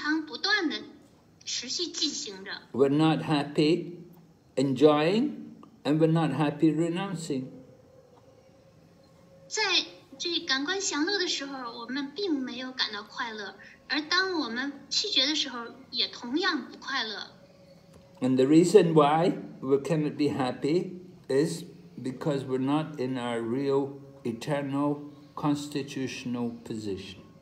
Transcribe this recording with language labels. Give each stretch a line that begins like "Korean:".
Chinese: 这种变化是恒常不断的持续进行着。
English: We're not happy enjoying, and we're not happy renouncing.
Chinese: 在 这感官享乐的时候，我们并没有感到快乐，而当我们弃绝的时候，也同样不快乐。
English: And the reason why we cannot be happy is because we're not in our real eternal constitutional position.